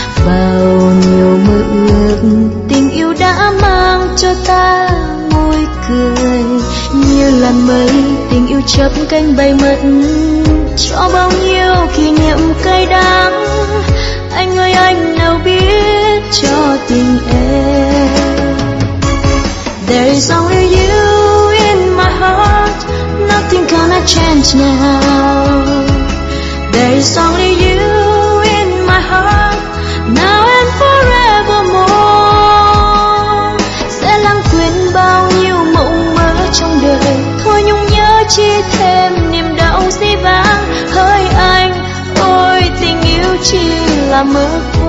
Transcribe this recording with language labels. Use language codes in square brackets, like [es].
[vi] Bao nhiêu mơ ước tình yêu đã mang cho ta môi cười như làn mây, tình yêu chấp cánh bay mất cho bao nhiêu kỷ niệm cay đắng. Anh ơi anh nào biết cho tình em. [en] There's only you in my heart, nothing gonna change now. There's only you in my heart, now and forevermore. [vi] Sẽ lãng quên bao nhiêu mộng mơ trong đời, thôi nhung nhớ chi thêm niềm đau dĩ vãng. Hỡi anh, ôi tình yêu chỉ là mơ